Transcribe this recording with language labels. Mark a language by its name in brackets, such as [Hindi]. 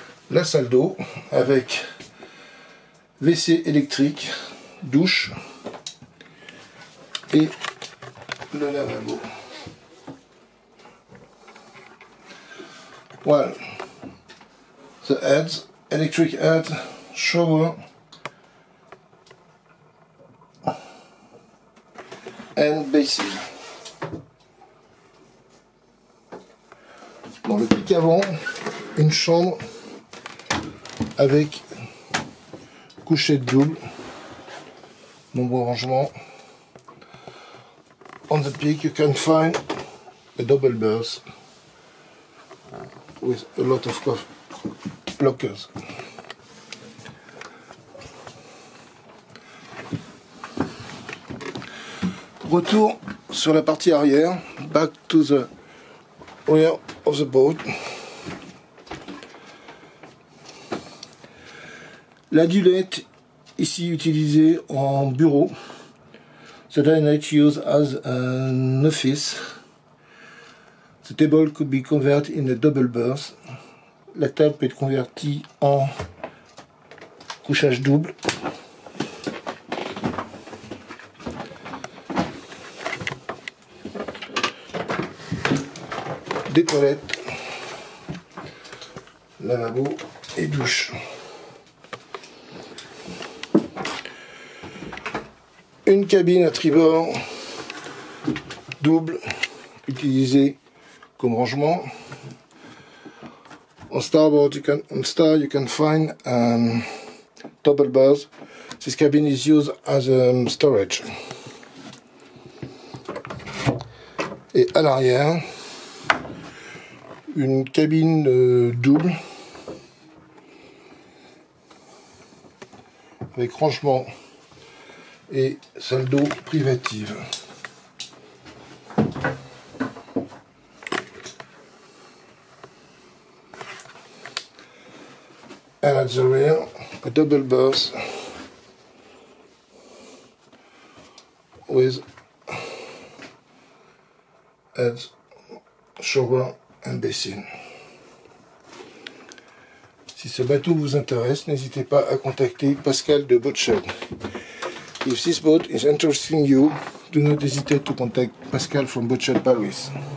[French] La salle d'eau avec WC électrique, douche et le lavabo. [English] Well, the heads, electric head, shower and basin. [French] Dans le pic avant, une chambre avec couchette double. Nombreux rangements. [English] On the peak, you can find a double berth with a lot of lockers. [French] Retour sur la partie arrière, [English] back to the rear of the boat. [French] La dunette ici utilisé en bureau. [English] The dinette used as an office. The table could be converted in a double berth. [French] La table peut être convertie en couchage double. Des toilettes, lavabo et douche. Une cabine à tribord double utilisée comme rangement. [English] On starboard, you can find a double berth. This cabin is used as a storage. [French] Et à l'arrière, une cabine double avec rangement et salle d'eau privative. [English] And at the rear, a double berth with a shower and basin. [French] Si ce bateau vous intéresse, n'hésitez pas à contacter Pascal de Boatshed. [English] If this boat is interesting you, do not hesitate to contact Pascal from Boatshed Paris.